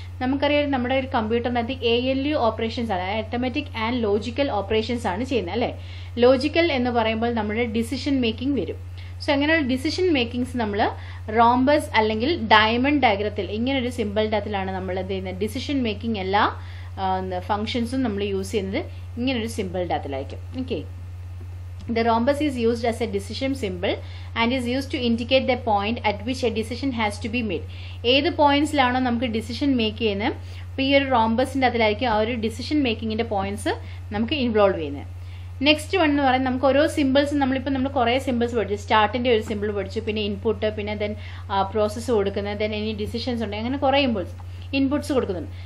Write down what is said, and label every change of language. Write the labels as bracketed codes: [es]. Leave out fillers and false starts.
[ml] നമുക്കറിയാം നമ്മുടെ ഒരു കമ്പ്യൂട്ടറിനകത്ത് എ എൽ യു ഓപ്പറേഷൻസ് ആണ്, അരിത്തമെറ്റിക് ആൻഡ് ലോജിക്കൽ ഓപ്പറേഷൻസ് ആണ് ചെയ്യുന്നത് അല്ലെ. ലോജിക്കൽ എന്ന് പറയുമ്പോൾ നമ്മുടെ ഡിസിഷൻ മേക്കിംഗ് വരും. സോ അങ്ങനെയുള്ള ഡിസിഷൻ മേക്കിംഗ്സ് നമ്മൾ റോംബസ് അല്ലെങ്കിൽ ഡയമണ്ട് ഡയഗ്രത്തിൽ ഇങ്ങനെ ഒരു സിമ്പിളിൻ്റെ അതിലാണ് നമ്മൾ എന്ത് ചെയ്യുന്നത്, ഡിസിഷൻ മേക്കിംഗ് എല്ലാ ഫംഗ്ഷൻസും നമ്മൾ യൂസ് ചെയ്യുന്നത് ഇങ്ങനൊരു സിമ്പിളിൻ്റെ അതിലായിരിക്കും. [en] Okay, the rhombus is used as a decision symbol and is used to indicate the point at which a decision has to be made. [ml] ഏത് പോയിന്റ്സ് ആണോ നമുക്ക് ഡിസിഷൻ മേക്ക് ചെയ്യുന്നത്, അപ്പൊ ഈ ഒരു റോംബസിന്റെ അതിലായിരിക്കും ആ ഒരു ഡിസിഷൻ മേക്കിങ്ങിന്റെ പോയിന്റ്സ് നമുക്ക് ഇൻവോൾവ് ചെയ്യുന്നത്. നെക്സ്റ്റ് വൺ എന്ന് പറയുന്നത് നമുക്ക് ഓരോ സിമ്പിൾസ്, നമ്മളിപ്പോൾ നമ്മൾ കുറെ സിമ്പിൾസ് പഠിച്ചു, സ്റ്റാർട്ടിന്റെ ഒരു സിമ്പിൾ പഠിച്ചു, പിന്നെ ഇൻപുട്ട്, പിന്നെ ദെൻ പ്രോസസ്സ് കൊടുക്കുന്നത്, ദെൻ ഇനി ഡിസിഷൻസ് ഉണ്ട്, അങ്ങനെ കുറെ ഇമ്പിൾസ് ഇൻപുട്സ് കൊടുക്കുന്നുണ്ട്.